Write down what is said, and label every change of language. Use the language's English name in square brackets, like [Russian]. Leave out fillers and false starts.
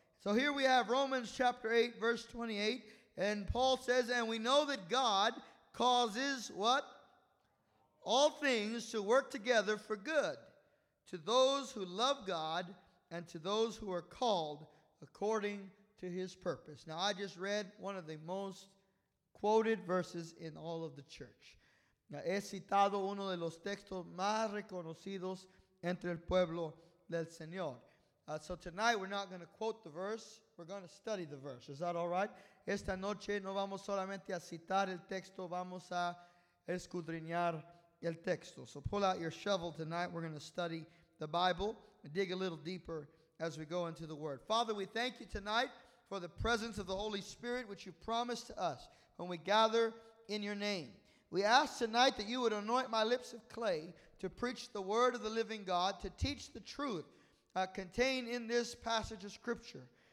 [English] So here we have Romans chapter 8, verse 28, and Paul says, and we know that God causes what? All things to work together for good to those who love God and to those who are called according to His purpose. Now, I just read one of the most quoted verses in all of the church. [Spanish] He citado uno de los textos más reconocidos entre el pueblo del Señor. [English] So tonight we're not going to quote the verse, we're going to study the verse. Is that all right? [Spanish] Esta noche no vamos solamente a citar el texto, vamos a escudriñar el texto. [English] So pull out your shovel tonight, we're going to study the Bible and dig a little deeper as we go into the Word. Father, we thank You tonight for the presence of the Holy Spirit which You promised to us when we gather in Your name. We ask tonight that You would anoint my lips of clay to preach the word of the living God, to teach the truth contained in this passage of Scripture.